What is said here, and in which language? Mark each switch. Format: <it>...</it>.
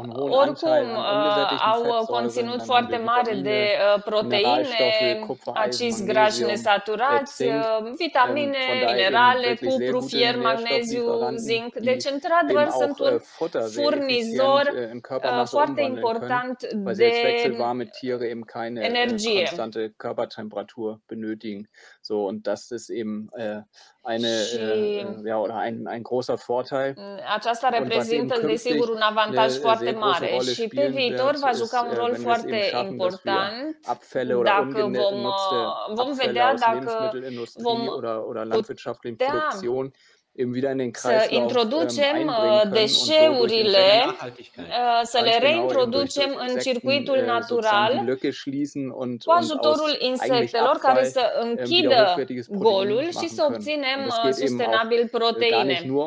<ro>oricum au conținut foarte mare de proteine, acizi grași nesaturați, vitamine, minerale, cupru, fier, magneziu, zinc. Deci, într-adevăr, sunt un furnizor foarte important de energie.</ro> <de>Constante Körpertemperatur benötigen. So, und das ist eben eine, ja, oder ein großer Vorteil.</de> <ro>Aceasta reprezintă, desigur, un avantaj foarte mare și pe viitor va juca un rol foarte important dacă vom vedea dacă vom putea să introducem deșeurile, să le reintroducem în circuitul natural cu ajutorul insectelor care să închidă golul și să obținem sustenabil proteine.</ro>